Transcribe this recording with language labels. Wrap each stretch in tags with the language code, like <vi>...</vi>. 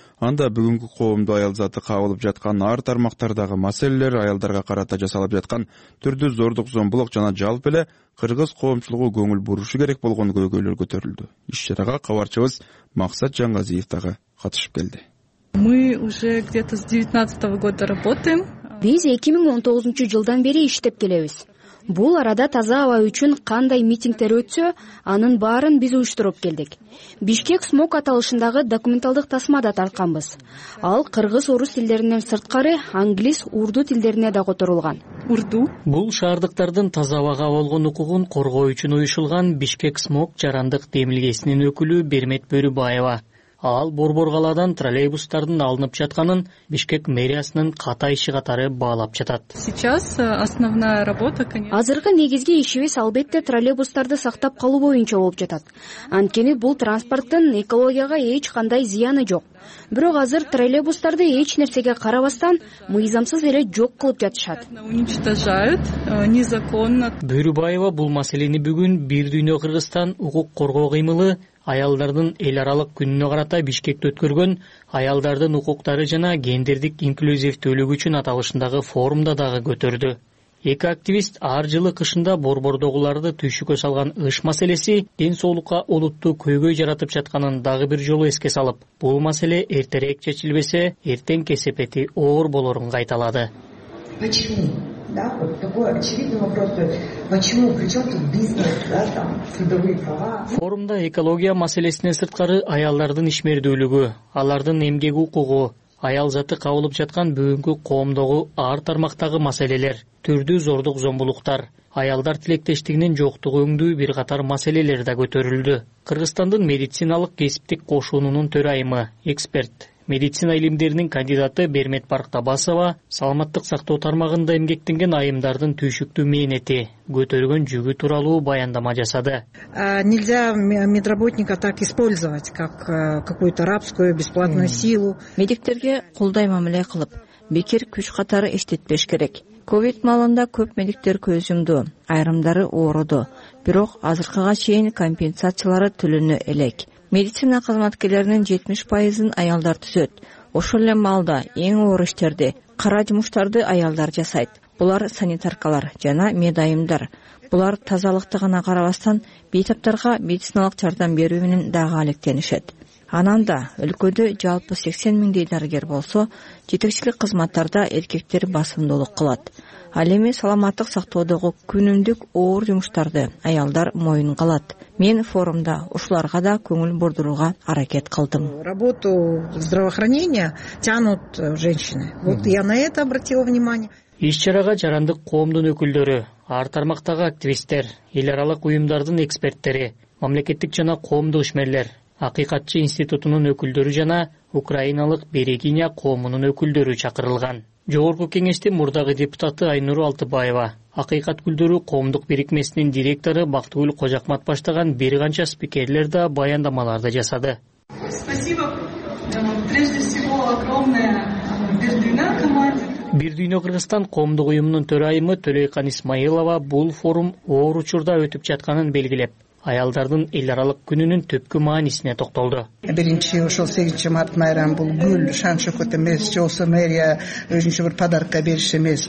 <ky>Анда бүгүнкү коомдо аял заты кабылып жаткан ар тармактардагы маселелер, аялдарга карата жасалып жаткан түрдүү зордук зомбулук жана жалпы эле кыргыз коомчулугу көңүл бурушу керек болгон көйгөйлөр көтөрүлдү. Иш чарага кабарчыбыз Максат Жангазиев дагы катышып келди.</ky> <ru>Мы уже где-то с 2019 года работаем.</ru> <ky>Биз 2019 жылдан бери иштеп келебиз. Бул арада таза аба үчүн кандай митингдер өтсө, анын баарын биз уюштуруп келдик. Бишкек Смок аталышындагы документалдык тасма да тартканбыз. Ал кыргыз, орус тилдеринен сырткары англис, урду тилдерине да которулган. Урду? Бул шаардыктардын таза абага болгон укугун коргоо үчүн уюшулган Бишкек Смок жарандык демилгесинин өкүлү Бермет Бөрүбаева. ал Борбор қаладан троллейбустардын алынып жатканын Бишкек мэриясынын ката иши катары баалап жатат.</ky> <ru>Сейчас основная работа, конечно.</ru> <ky>Азыркы негизги ишибиз албетте троллейбустарды сактап калуу боюнча болуп жатат. Анткени бул транспорттун экологияга эч кандай зыяны жок. Бирок азыр троллейбустарды эч нерсеге карабастан мыйзамсыз эле жок кылып жатышат.</ky> <ru>Уничтожают незаконно.</ru> <ky>Бүрүбаева бул маселени бүгүн Бир Дүйнө Кыргызстан укук коргоо кыймылы аялдардын эл аралык күнүнө карата Бишкекте өткөргөн аялдардын укуктары жана гендердик инклюзивдүүлүгү үчүн аталышындагы форумда дагы көтөрдү. Эки активист ар жылы кышында борбордогуларды түйшүккө салган ыш маселеси ден соолукка олуттуу көйгөй жаратып жатканын дагы бир жолу эске салып, бул маселе эртерээк чечилбесе эртең кесепети оор болорун кайталады.</ky> <ru>Почему? Да, вот такой очевидный вопрос. Почему? Причем тут бизнес, да, там, трудовые права?</ru> <ky>Форумда экология маселесине сырткары аялдардын ишмердүүлүгү, алардын эмгек укугу, аял заты кабылып жаткан бүгүнкү коомдогу ар тармактагы маселелер, түрдүү зордук зомбулуктар, аялдар тилектештигинин жоктугу өңдүү бир катар маселелер да көтөрүлдү. Кыргызстандын медициналык кесиптик кошуунунун төрайымы, эксперт, медицина илимдеринин кандидаты Бермет Барктабасова саламаттык сактоо тармагында эмгектенген айымдардын түйшүктүү мээнети, көтөргөн жүгү тууралуу баяндама жасады.</ky> <ru>Нельзя медработника так использовать, как какую-то рабскую бесплатную силу.</ru> <ky>Медиктерге кулдай мамиле кылып, бекер күч катары иштетпеш керек. Ковид маалында көп медиктер көз жумду, айрымдары ооруду, бирок азыркыга чейин компенсациялары төлөнө элек. Медицина кызматкерлеринин 70% аялдар түзөт. Ошол эле маалда эң оор иштерди, кара жумуштарды аялдар жасайт. Булар санитаркалар жана медайымдар. Булар тазалыкты гана карабастан бейтаптарга медициналык жардам берүү менен дагы алектенишет. Анан да өлкөдө жалпы 80,000 дарыгер болсо, жетекчилик кызматтарда эркектер басымдуулук кылат. Ал эми саламаттык сактоодогу күнүмдүк оор жумуштарды аялдар моюнга алат. Мен форумда ушуларга да көңүл бурдурууга аракет кылдым.</ky> <ru>Работу здравоохранения тянут женщины. Вот я на это обратила внимание.</ru> <ky>Иш-чарага жарандык коомдун өкүлдөрү, ар тармактагы активисттер, эл аралык уюмдардын эксперттери, мамлекеттик жана коомдук ишмерлер, Акыйкатчы институтунун өкүлдөрү жана украиналык Берегиня коомунун өкүлдөрү чакырылган. Жогорку кеңештин мурдагы депутаты Айнуру Алтыбаева, Акыйкат гүлдөрү коомдук бирикмесинин директору Бактыгүл Кожакмат баштаган бир канча спикерлер да баяндамаларды жасады.</ky> <ru>Спасибо. Прежде всего, огромное Бир Дүйнө команде.</ru> <ky>Бир Дүйнө Кыргызстан коомдук уюмунун төрайымы Төлөйкан Исмаилова бул форум оор учурда өтүп жатканын белгилеп, аялдардын эл аралык күнүнүн түпкү маанисине токтолду. Биринчи ошол 8-март майрам бул гүл, шан шөкөт эмес, же болсо мэрия өзүнчө бир подарка бериш эмес.</ky>